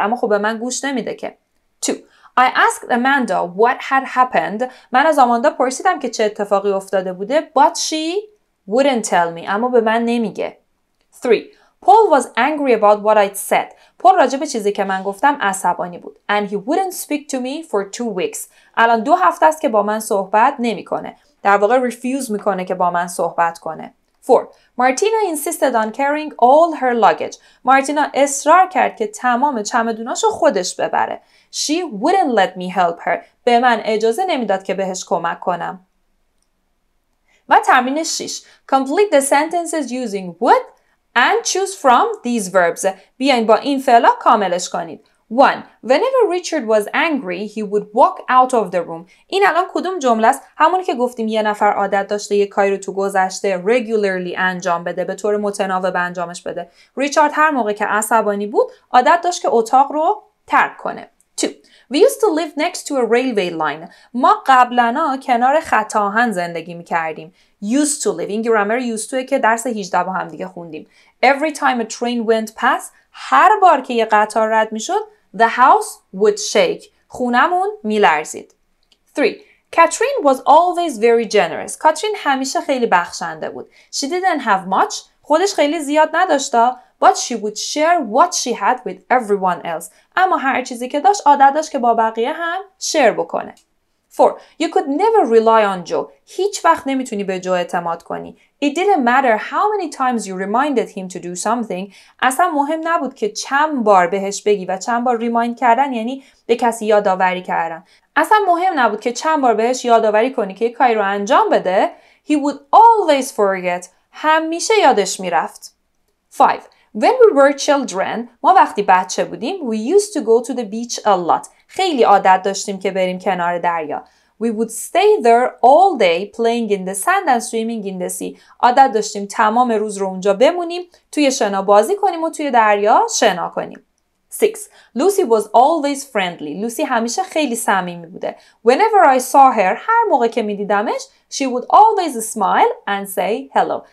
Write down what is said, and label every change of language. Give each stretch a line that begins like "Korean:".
Persian: اما خب به من گوش نمیده که. 2.
English: I asked Amanda what had happened.
Persian: من از آماندا پرسیدم که چه اتفاقی افتاده بوده.
English: But she wouldn't tell me.
Persian: اما به من نمیگه.
English: 3. Paul was angry about what I'd said.
Persian: پول راجع به چیزی که من گفتم عصبانی بود.
English: And he wouldn't speak to me for 2 weeks.
Persian: الان 2 هفته است که با من صحبت نمیکنه. در واقع ریفیوز میکنه که با من صحبت کنه.
English: 4. Martina insisted on carrying all her luggage.
Persian: مارتینا اصرار کرد که تمام چمدوناشو خودش ببره.
English: She wouldn't let me help her.
Persian: به من اجازه نمیداد که بهش کمک کنم. و تمرین 6.
English: Complete the sentences using would and choose from these verbs.
Persian: بیاین با این فعلا کاملش کنید. 1.
English: Whenever Richard was angry, he would walk out of the room.
Persian: این الان کدوم جمله است؟ همونی که گفتیم یه نفر عادت داشته یه کاری رو تو گذشته regularly انجام بده، به طور متناوب انجامش بده. ریچارد هر موقع که عصبانی بود، عادت داشت که اتاق رو ترک کنه.
English: 2. We used to live next to a railway line.
Persian: ما قبلنا کنار خط آهن زندگی میکردیم.
English: Used to live.
Persian: این گرامر used توه که درس 18 با هم دیگه خوندیم.
English: Every time a train went past,
Persian: هر بار که یه قطار رد می شد,
English: the house would shake.
Persian: خونمون می لرزید.
English: 3. Catherine was always very generous.
Persian: کاترین همیشه خیلی بخشنده بود.
English: She didn't have much.
Persian: خودش خیلی زیاد نداشتا.
English: But she would share what she had with everyone else.
Persian: اما هر چیزی که داشت عادت داشت که با بقیه هم شیر بکنه.
English: 4. You could never rely on Joe.
Persian: هیچ وقت نمیتونی به جو اعتماد کنی.
English: It didn't matter how many times you reminded him to do something.
Persian: اصلا مهم نبود که چند بار بهش بگی و چند بار ریمایند کردن یعنی به کسی یادآوری کردن. اصلا مهم نبود که چند بار بهش یادآوری کنی که یک کاری رو انجام بده.
English: He would always forget.
Persian: همیشه یادش میرفت.
English: 5. When we were children,
Persian: ما وقتی بچه بودیم,
English: we used to go to the beach a lot.
Persian: خیلی عادت داشتیم که بریم کنار دریا.
English: We would stay there all day playing in the sand and swimming in the sea.
Persian: عادت داشتیم تمام روز رو اونجا بمونیم, توی شنا بازی کنیم و توی دریا شنا کنیم.
English: 6. Lucy was always friendly.
Persian: لوسی همیشه خیلی صمیمی بوده.
English: Whenever I saw her,
Persian: هر موقع که می دیدمش,
English: she would always smile and say hello.